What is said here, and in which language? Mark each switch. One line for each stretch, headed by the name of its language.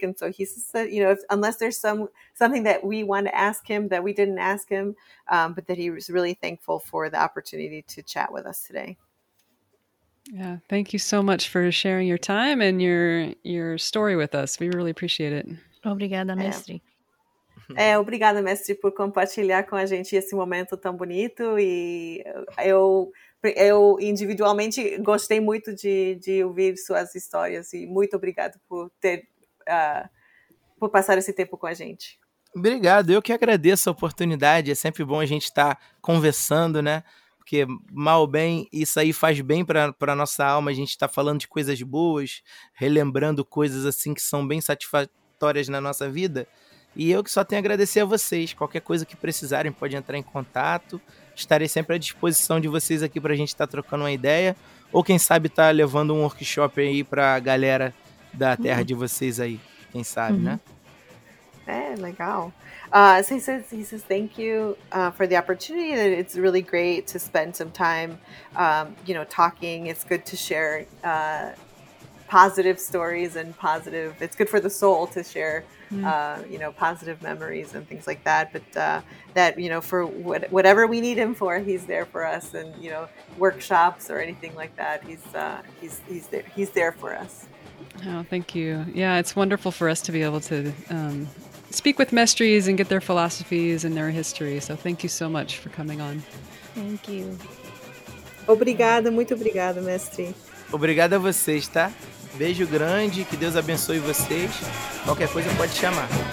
English: And so he says that, you know, unless there's something that we want to ask him that we didn't ask him, but that he was really thankful for the opportunity to chat with us today. Yeah, thank you so much for sharing your time and your story with us. We really appreciate it.
Portuguese: Obrigada, mestre. Obrigada, mestre, por compartilhar com a gente esse momento tão bonito. E eu individualmente gostei muito de ouvir suas histórias. E muito obrigado por por passar esse tempo com a gente. Obrigado, eu que agradeço a oportunidade. É sempre bom a gente estar conversando, né? Porque mal ou bem, isso aí faz bem para a nossa alma, a gente está falando de coisas boas, relembrando coisas assim que são bem satisfatórias na nossa vida, e eu que só tenho a agradecer a vocês, qualquer coisa que precisarem pode entrar em contato, estarei sempre à disposição de vocês aqui para a gente estar trocando uma ideia, ou quem sabe estar levando um workshop aí para a galera da terra de vocês aí, quem sabe, né? Legal.
English: So he says thank you for the opportunity. It's really great to spend some time, you know, talking. It's good to share positive stories and positive. It's good for the soul to share, you know, positive memories and things like that. But that, you know, for whatever we need him for, he's there for us. And, you know, workshops or anything like that, he's there for us. Oh, thank you. Yeah, it's wonderful for us to be able to speak with mestres and get their philosophies and their history. So thank you so much for coming on. Thank you.
Portuguese: Obrigada, muito obrigada, mestre. Obrigada a vocês, tá? Beijo grande, que Deus abençoe vocês. Qualquer coisa pode chamar.